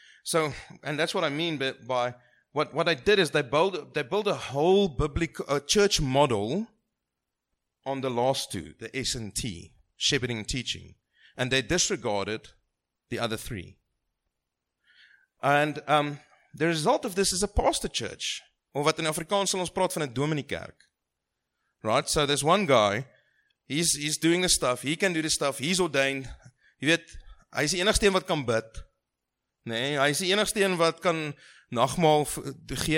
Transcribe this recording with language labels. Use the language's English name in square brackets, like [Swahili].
[English] So, and that's what I mean by what I did is they built a whole biblical church model on the last two, the S and T, shepherding and teaching. And they disregarded the other three. And the result of this is a pastor church. [Afrikaans] Or wat in Afrikaans sal ons praat van 'n dominiekerk. [English] Right? So there's one guy, he's doing the stuff, he can do the stuff, he's ordained. [Afrikaans] Jy weet, hy is die enigste een wat kan bid. Nee, hy is die enigste een wat kan nagmaal gee.